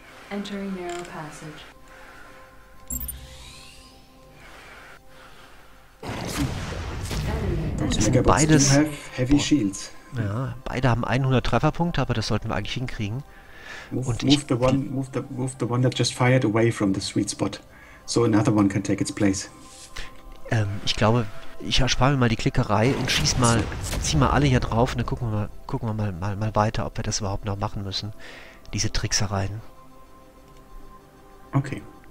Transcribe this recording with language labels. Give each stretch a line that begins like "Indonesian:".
English: Entering narrow passage.
German: Das sind beides
English: heavy shields.
German: Ja, beide haben 100 Trefferpunkte, aber das sollten wir eigentlich hinkriegen.
English: Move the one that just fired away from the sweet spot, so another one can take its place.
German: Ich glaube, Ich erspare mir mal die Klickerei und schieß mal, zieh mal alle hier drauf und dann gucken wir mal weiter, ob wir das überhaupt noch machen müssen. Diese Tricksereien.
English: Okay.